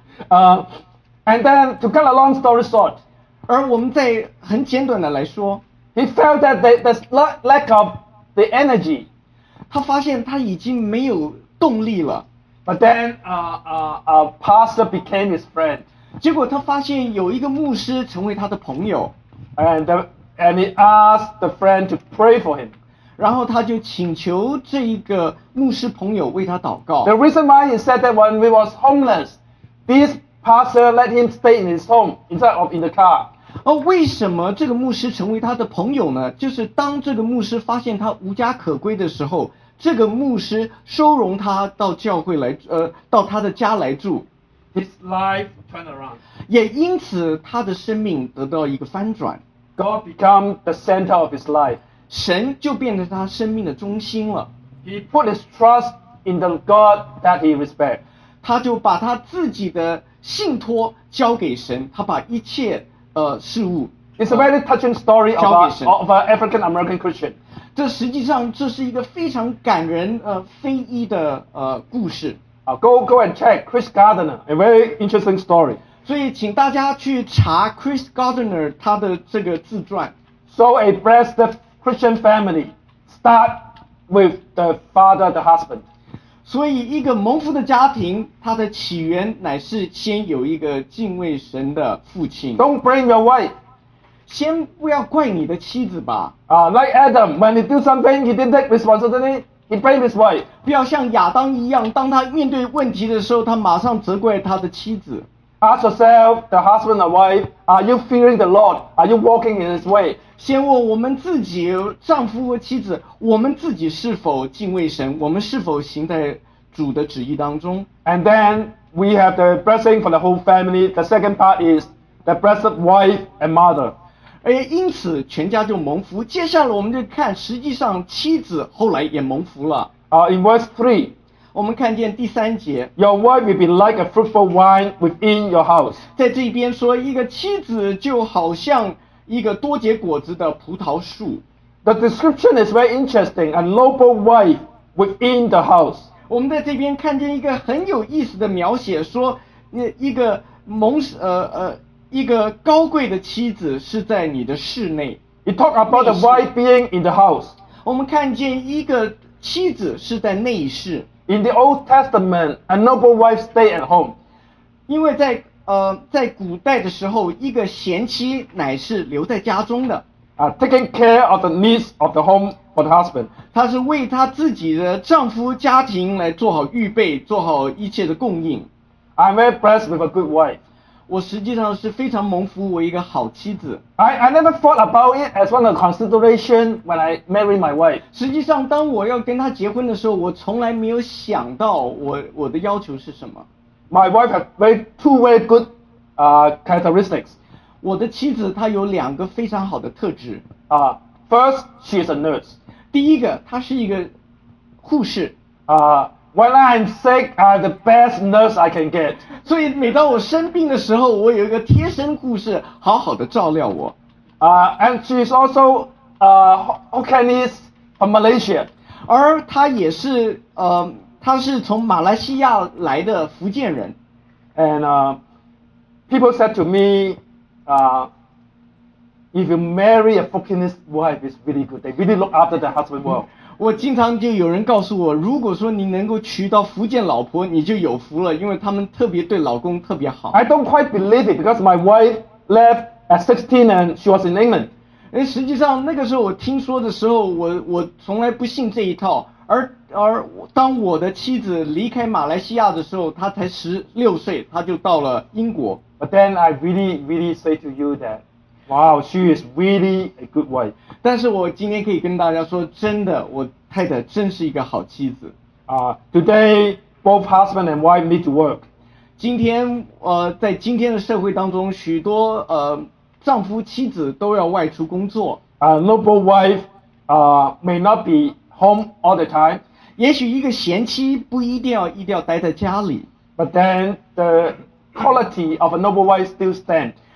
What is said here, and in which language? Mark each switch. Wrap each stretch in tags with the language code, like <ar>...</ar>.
<en>and then to cut a long story short,</en> <zh>而我们再很简短的来说，</zh> <en>he felt that the lack of the energy,</en> <zh>他发现他已经没有动力了。</zh> <en>But then a pastor became his friend.</en> <zh>结果他发现有一个牧师成为他的朋友。</zh> <en>And he asked the friend to pray for him.</en> <zh>然后他就请求这一个牧师朋友为他祷告。</zh> <en>The reason why he said that when he was homeless, this pastor let him stay in his home instead of in the car.</en> <zh>为什么这个牧师成为他的朋友呢？就是当这个牧师发现他无家可归的时候，这个牧师收容他到教会来，到他的家来住。</zh> <en>His life turned around.</en> <zh>也因此他的生命得到一个翻转。</zh> <en>God became the center of his life.</en> <zh>神就变成他生命的中心了。</zh> <en>He put his trust in the God that he respects.</en> <zh>他就把他自己的信托交给神，他把一切事物。</zh> <en>It's a very touching story of an African American Christian.</en> <zh>这实际上这是一个非常感人非裔的故事。</zh> <en>Go and check Chris Gardner, a very interesting story.</en> <zh>所以请大家去查 Chris Gardner 他的这个自传。</zh> <en>So a blessed Christian family start with the father, the husband.</en> <zh>所以一个蒙福的家庭，它的起源乃是先有一个敬畏神的父亲。</zh> <en>Don't blame your wife.</en> <zh>先不要怪你的妻子吧。</zh> <en>Like Adam, when he do something, he didn't take responsibility, he blame his wife.</en> <zh>不要像亚当一样，当他面对问题的时候，他马上责怪他的妻子。</zh> <en>Ask yourself, the husband and wife, are you fearing the Lord? Are you walking in His way?</en> <zh>先问我们自己，丈夫和妻子，我们自己是否敬畏神？我们是否行在主的旨意当中？</zh> <en>And then we have the blessing for the whole family. The second part is the blessed wife and mother.</en> <zh>因此全家就蒙福。接下来我们就看，实际上妻子后来也蒙福了。</zh> <en>In verse 3.</en> <zh>我们看见第三节，</zh> <en>Your wife will be like a fruitful vine within your house.</en> <zh>在这边说，一个妻子就好像一个多结果子的葡萄树。</zh> <en>The description is very interesting. A noble wife within the house.</en> <zh>我们在这边看见一个很有意思的描写，说一个高贵的妻子是在你的室内。</zh> <en>It talk about the wife being in the house.</en> <zh>我们看见一个妻子是在内室。</zh> <en>In the Old Testament, a noble wife stayed at home.</en> <zh>因为在古代的时候，一个贤妻乃是留在家中的。</zh> <en>Taking care of the needs of the home for the husband.</en> <zh>她是为她自己的丈夫家庭来做好预备，做好一切的供应。</zh> <en>I'm very blessed with a good wife.</en> <zh>我实际上是非常蒙福，我一个好妻子。</zh> <en>I never thought about it as one of the considerations when I married my wife.</en> <zh>实际上当我要跟她结婚的时候，我从来没有想到我的要求是什么。</zh> <en>My wife has two very good characteristics.</en> <zh>我的妻子她有两个非常好的特质。</zh> <en>First, she is a nurse.</en> <zh>第一个，她是一个护士。</zh> <en>When I'm sick, I'm the best nurse I can get.</en> <zh>所以每当我生病的时候，我有一个贴身护士好好的照料我。</zh> <en>And she's also Hokkienese from Malaysia.</en> <zh>而她也是他是从马来西亚来的福建人。</zh> <en>And people said to me, if you marry a Fukinese wife, it's really good. They really look after their husband well.</en> <zh>我经常就有人告诉我，如果说你能够娶到福建老婆，你就有福了，因为他们特别对老公特别好。</zh> <en>I don't quite believe it because my wife left at 16 and she was in England.</en> <zh>实际上那个时候我听说的时候，我从来不信这一套。而当我的妻子离开马来西亚的时候，她才16岁，她就到了英国。</zh> <en>But then I really, really say to you that. Wow, she is really a good wife.</en> <zh>但是我今天可以跟大家说，真的，我太太真是一个好妻子。</zh> <en>Today, both husband and wife need to work.</en> <zh>今天，在今天的社会当中，许多丈夫妻子都要外出工作。</zh> <en>Noble wife, may not be home all the time.</en> <zh>也许一个贤妻不一定要待在家里。</zh> <en>But then the quality of a noble wife still stand.</en>